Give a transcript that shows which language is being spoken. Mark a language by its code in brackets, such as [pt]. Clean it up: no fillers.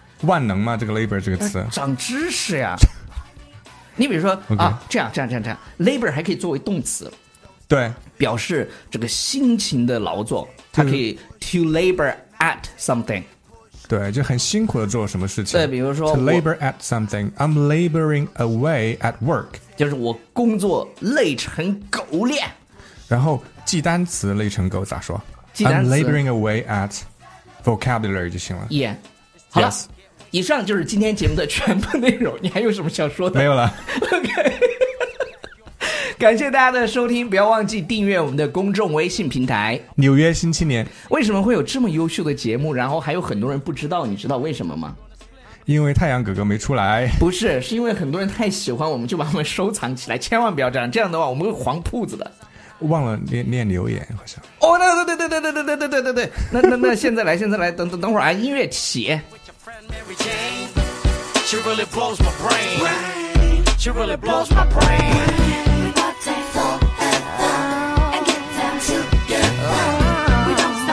[zh] 万能吗？这个 labor 这个词？长知识呀！你比如说、 [en] okay. [zh] 啊，这样 labor 还可以作为动词，对，表示这个辛勤的劳作，它可以 to labor at something。对，就很辛苦的做什么事情。对，比如说 [en] to labor at something， I'm laboring away at work， [zh] 就是我工作累成狗脸。然后记单词累成狗咋说？记单词 [en] I'm laboring away at vocabulary 就行了。 Yeah， [zh] 好了， [en] yes. [zh] 以上就是今天节目的全部内容。你还有什么想说的？没有了。 OK， 感谢大家的收听，不要忘记订阅我们的公众微信平台纽约新青年。为什么会有这么优秀的节目然后还有很多人不知道，你知道为什么吗？因为太阳哥哥没出来。不是，是因为很多人太喜欢我们就把我们收藏起来，千万不要这样，这样的话我们会黄铺子的。忘了 念留言好像。哦，那对对对对对对对对对对对，那现在来等会儿啊，音乐起。 [en] She really blows my brain. She really blows my brain. Why can't we rotate forever and get them together?